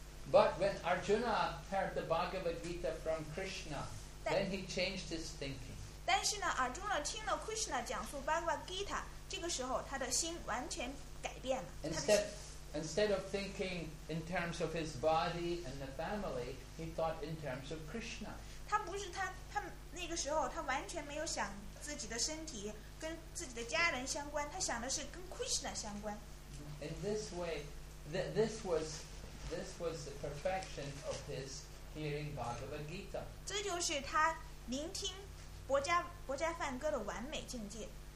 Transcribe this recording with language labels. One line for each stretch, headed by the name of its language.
English: But when Arjuna heard the Bhagavad Gita from Krishna, then he changed his thinking.
Chinese: 但是呢，阿朱那听了 Krishna 讲述 Bhagavad Gita， 这个时候他的心完全改变了。
English: Instead of thinking in terms of his body and the family, he thought in terms of Krishna.
Chinese: 他那个时候他完全没有想自己的身体。跟自己的家人相关，他想的是跟 Krishna 相关。
English: In this way, this was the perfection of his hearing Bhagavad Gita.
Chinese: 这就是他聆听博迦梵歌的完美境界。